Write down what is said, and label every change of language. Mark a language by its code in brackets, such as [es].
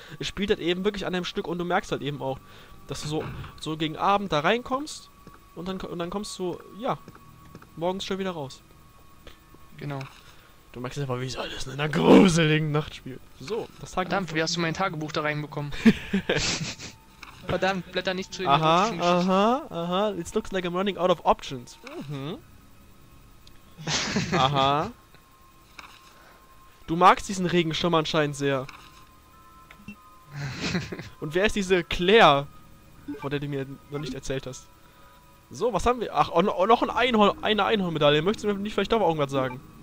[de] Es spielt halt eben wirklich an einem Stück und du merkst halt eben auch, dass du so gegen Abend da reinkommst und dann kommst du, ja, morgens schon wieder raus. Genau. Du merkst einfach, wie soll das in einer gruseligen Nacht spielen? So, das Tagebuch. Verdammt, wie hast du mein Tagebuch da reinbekommen? Verdammt, blätter nicht zu in die [en] Aha, it looks like I'm running out of options. [de] Aha. Du magst diesen Regenschirm anscheinend sehr. Und wer ist diese Claire, von der du mir noch nicht erzählt hast? So, was haben wir? Ach, noch eine Einhorn-Medaille. Möchtest du mir nicht vielleicht doch irgendwas sagen?